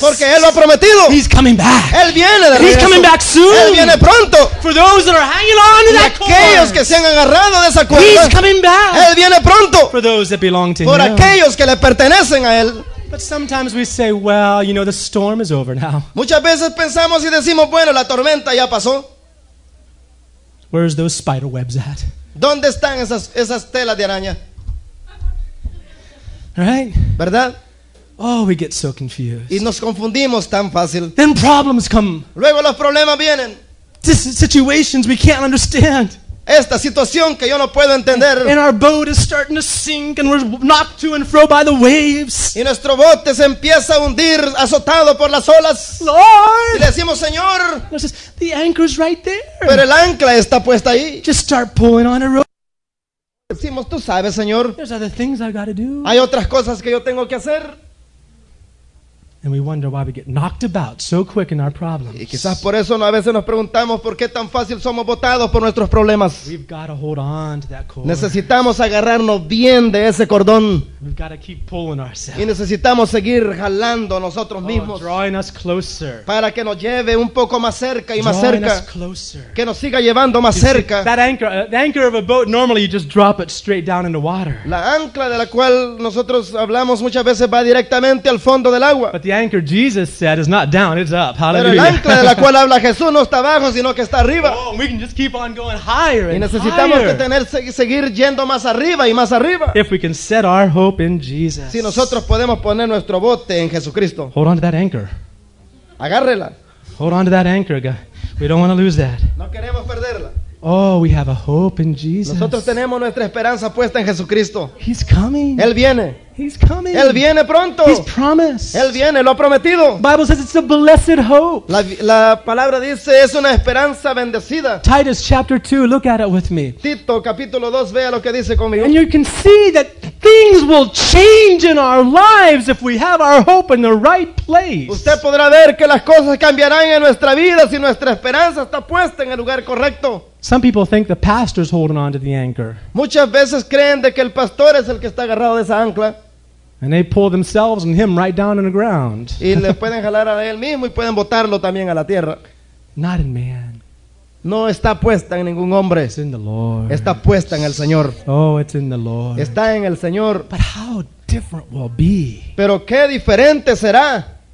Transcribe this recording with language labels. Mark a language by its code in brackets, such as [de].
[es] Porque él lo ha prometido. [en] He's coming back. [es] Él viene de [en] he's coming back soon. [es] Él viene pronto. [en] For those that are hanging on to that [es] aquellos [en] cord. [es] Que se han agarrado de esa cuerda. [en] He's coming back. [es] Él viene pronto. [en] For those that belong to [es] por [en] him. [es] Por aquellos que le pertenecen a él. [en] But sometimes we say, well, you know, the storm is over now. [es] Muchas veces pensamos y decimos, bueno, la tormenta ya pasó. [en] Where's those spider webs at? [es] ¿Dónde están esas telas de araña? [en] Right? [es] ¿Verdad? [en] Oh, we get so confused. [es] Y nos confundimos tan fácil. [en] Then problems come. [es] Luego los problemas vienen. [en] Situations we can't understand. [es] Esta situación que yo no puedo entender. [en] And our boat is starting to sink and we're knocked to and fro by the waves. [es] Y nuestro bote se empieza a hundir, azotado por las olas. [en] Lord. [es] Y decimos, Señor. [en] The anchor's right there. [es] Pero el ancla está puesta ahí. [en] Just start pulling on a rope. [es] Decimos, tú sabes, Señor. [en] There's other things I gotta do. [es] Hay otras cosas que yo tengo que hacer. [en] And we wonder why we get knocked about so quick in our problems. [es] Y quizás por eso a veces nos preguntamos por qué tan fácil somos botados por nuestros problemas. [en] We've got to hold on to that cord. [es] Necesitamos agarrarnos bien de ese cordón. [en] We've got to keep pulling ourselves. [es] Y necesitamos seguir jalando nosotros mismos. [en] Oh, drawing us closer. [es] Para que nos lleve un poco más cerca y más [en] drawing [es] cerca. [en] Drawing us closer. [es] Que nos siga llevando más [en] you [es] cerca. [en] See, that anchor, the anchor of a boat, normally you just drop it straight down in the water. [es] La ancla de la cual nosotros hablamos muchas veces va directamente al fondo del agua. [en] The anchor Jesus said is not down, it's up. Hallelujah. [es] Pero el ancla de la cual habla Jesús no está abajo, sino que está arriba. [en] Oh, we can just keep on going higher and [es] y necesitamos [en] higher. [es] Que tener, seguir yendo más arriba y más arriba. [en] If we can set our hope in Jesus. [es] Si nosotros podemos poner nuestro bote en Jesucristo. [en] Hold on to that anchor. [es] Agárrela. [en] Hold on to that anchor, guy. We don't want to lose that. [es] No queremos perderla. [en] Oh, we have a hope in Jesus. [es] Nosotros tenemos nuestra esperanza puesta en Jesucristo. [en] He's coming. [es] Él viene. [en] He's coming. [es] Él viene pronto. [en] He's promised. [es] Él viene, lo ha prometido. [en] The Bible says it's a blessed hope. [es] La palabra dice es una esperanza bendecida. [en] Titus chapter 2, look at it with me. [es] Tito capítulo 2, vea lo que dice conmigo. [en] And you can see that things will change in our lives if we have our hope in the right place. [es] Usted podrá ver que las cosas cambiarán en nuestra vida si nuestra esperanza está puesta en el lugar correcto. [en] Some people think the pastor's holding on to the anchor. [es] Muchas veces creen de que el pastor es el que está agarrado de esa ancla. [en] And they pull themselves and him right down in the ground. [es] Y le pueden jalar a él mismo y pueden botarlo también a la tierra. [en] Not in man. [es] No está puesta en ningún hombre. [en] It's in the Lord. [es] Está puesta en el Señor. [en] Oh, it's in the Lord. [es] Está en el Señor. [en] But how different will be. [es] Pero qué diferente será.